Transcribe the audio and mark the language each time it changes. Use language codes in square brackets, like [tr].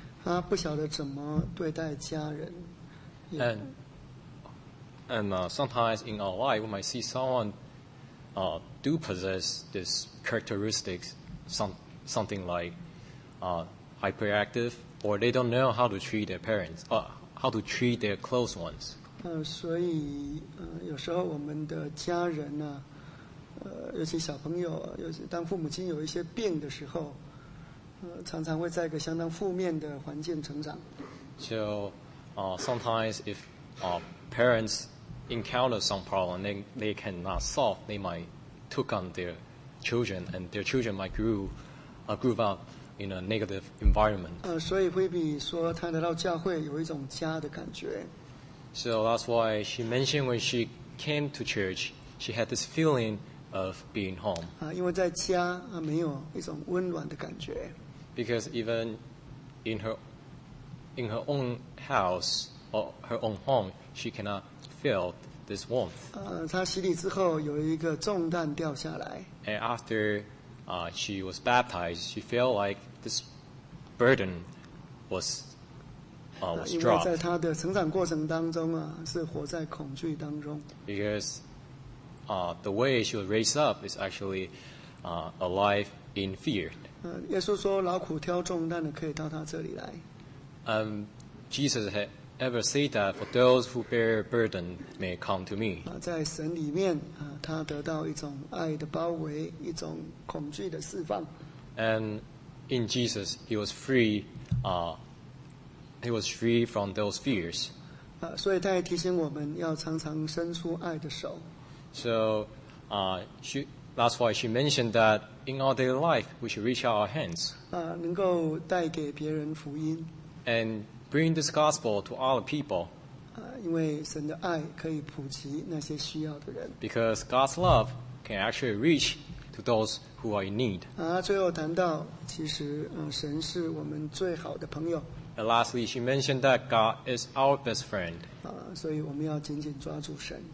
[zh] 他不晓得怎么对待家人。 [en] And sometimes in our life, we might see someone do possess this characteristics, something like hyperactive, or they don't know how to treat their parents, how to treat their close ones. [zh] 所以有时候我们的家人呢，尤其小朋友，尤其当父母亲有一些病的时候。常常会在一个相当负面的环境成长。 [en] So, sometimes if parents encounter some problem, then they cannot solve. They might took on their children, and their children might grew up in a negative environment. [zh] 所以菲比说她来到教会有一种家的感觉。 [en] So that's why she mentioned when she came to church, she had this feeling of being home. [zh] 因为在家没有一种温暖的感觉。 [en] Because even in her own house or her own home, she cannot feel this warmth. [zh] 她洗礼之后有一个重担掉下来。 [en] And after she was baptized, she felt like this burden was dropped. [zh] 因为在她的成长过程当中是活在恐惧当中。 [en] Because the way she was raised up is actually alive in fear. [zh] 耶稣说劳苦挑重担的可以到他这里来。 [en] Jesus had ever said that for those who bear burden may come to me. [zh] 在神里面他得到一种爱的包围，一种恐惧的释放。 [en] And in Jesus he was free, he was free from those fears. [zh] 所以他也提醒我们要常常伸出爱的手。 [en] So, that's why she mentioned that in our daily life, we should reach out our hands. [zh] 能够带给别人福音。 [en] And bring this gospel to other people. [zh] 因为神的爱可以普及那些需要的人。 [en] Because God's love can actually reach to those who are in need. [zh] 啊，最后谈到，其实神是我们最好的朋友。 [en] And lastly, she mentioned that God is our best friend. [zh] 啊，所以我们要紧紧抓住神。